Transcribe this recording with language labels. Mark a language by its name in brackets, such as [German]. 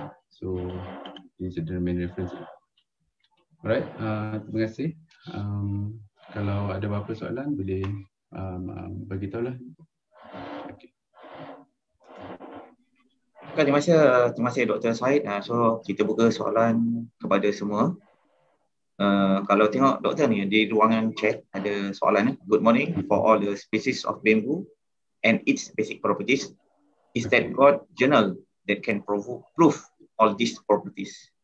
[English] So, these are the main references. [Malay] Alright, terima kasih. Kalau ada apa-apa soalan, boleh beritahu lah. [English] Okay. [Malay] Okay, terima kasih Dr. Syed. So, kita buka soalan kepada semua. Kalau tengok doktor ni di ruangan chat ada soalan ni. [English] Good morning. For all the species of bamboo and its basic properties, is that got journal that can prove all these properties?